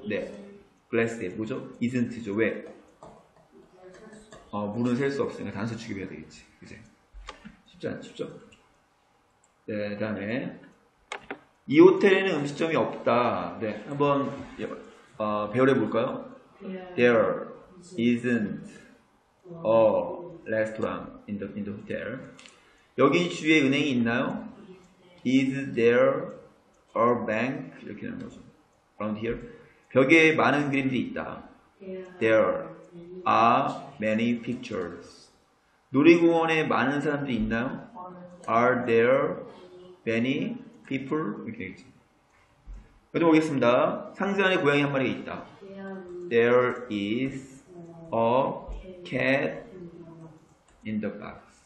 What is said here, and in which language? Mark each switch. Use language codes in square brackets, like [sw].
[ko] 네, glass에 뭐죠? isn't죠. 왜? 물은 셀수 없으니까 단서 취급해야 되겠지. 그치? 쉽지 않죠? 쉽죠? 네, 그다음에 이 호텔에는 음식점이 없다. 네, 한번 배열해 볼까요? [en] There isn't a restaurant in the hotel. [ko] 여기 주위에 은행이 있나요? [en] Is there a bank? 이렇게 되는 거죠. Around here. [ko] 벽에 많은 그림들이 있다. [en] There are many pictures. [ko] 놀이공원에 많은 사람들이 있나요? [en] Are there many people? [ko] 이렇게 되겠죠. 그래도 보겠습니다. 상자 안에 고양이 한 마리가 있다. [en] There is a cat in the box.